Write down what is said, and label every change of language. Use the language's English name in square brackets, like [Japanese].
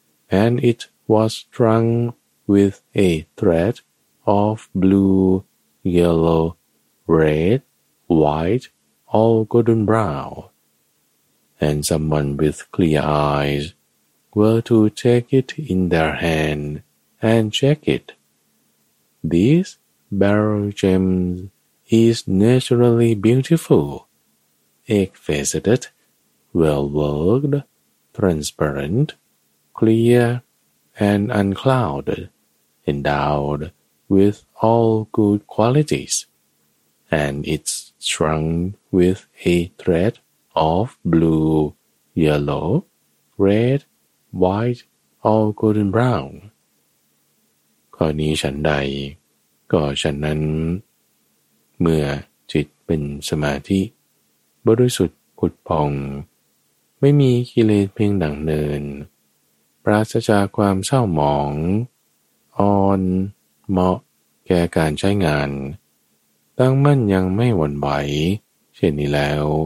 [English] and it was strung with a thread of blue, yellow, red, white, or golden brown, and someone with clear eyes were to take it in their hand and check it. This beryl gem is naturally beautiful, exquisite, well-worked, transparent, clear, and unclouded, endowed with all good qualities, and it's strung with a thread of blue, yellow, red, white, or golden brown. [Thai] ข้อนี้ฉันใดก็ฉันนั้นเมื่อจิตเป็นสมาธิบริสุทธิ์ผุดผ่องไม่มีกิเลสเพียงดั่งเนินปราศจากความเศร้าหมองอ่อนเหมาะแก่การใช้งานตั้งมั่นยังไม่หวั่นไหวเช่นนี้แล้ว